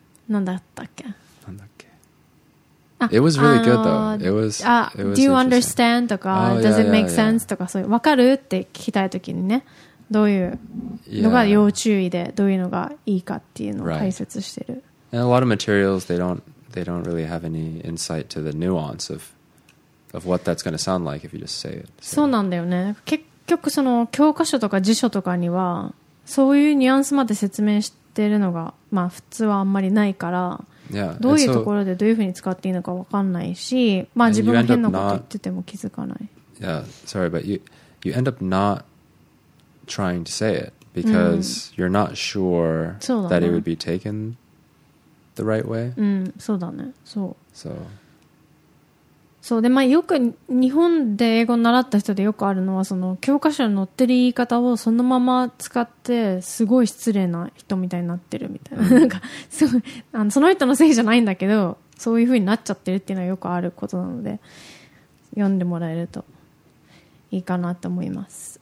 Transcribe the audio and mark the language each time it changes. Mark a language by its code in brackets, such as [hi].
[ja] なんだったっけ？なんだっけ？あ、 [en] It was really good though. Do you understand? [ja] とか、 [en] Does it make sense? とか、 [ja] そういう、わかる？って聞きたいときにね、どういうのが要注意で、どういうのがいいかっていうのを解説してる。 [en] Right. And a lot of materials, they don't really have any insight to the nuance of what that's going to sound like if you just say it. [ja] そうなんだよね。結局その教科書とか辞書とかにはそういうニュアンスまで説明してってるのが、まあ、普通はあんまりないから、 [en] yeah. [ja] どういうところでどういうふうに使っていいのか分かんないし、まあ、自分が変なこと言ってても気づかない。 [en] Yeah, sorry, but you end up not trying to say it because you're not sure that it would be taken the right way. [ja] うん、そうだね。そう。 [en] So. [ja] そうで、まあ、よく日本で英語を習った人でよくあるのはその教科書に載ってる言い方をそのまま使ってすごい失礼な人みたいになってるみたいな、なんかすごい、その人のせいじゃないんだけどそういう風になっちゃってるっていうのはよくあることなので読んでもらえるといいかなと思います。